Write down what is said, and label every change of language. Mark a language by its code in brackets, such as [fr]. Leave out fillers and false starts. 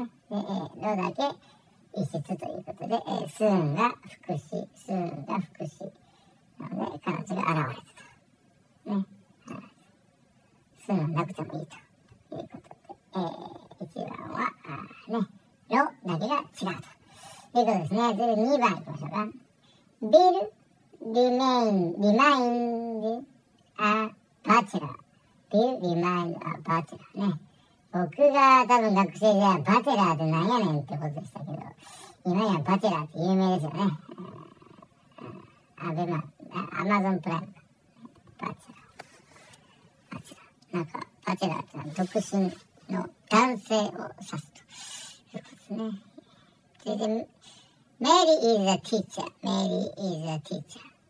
[ja] で、ロだけ、一節ということで、スーンが副詞、スーンが副詞。なので、彼女が現れてた。ね。スーンなくてもいいということで、1番は、ね、ロだけが違うと。ということですね。で、2番いきましょうか。 [en] Bill remained a bachelor. Bill remained a bachelor. [ja] ね。僕が多分学生ではバチェラーってなんやねんってことでしたけど、今やバチェラーって有名ですよね。アマゾンプライム。バチェラー。バチェラー。なんか、バチェラーってのは独身の男性を指すと。そうですね。 [en] 続いて、メリー is a teacher. メリー is a teacher.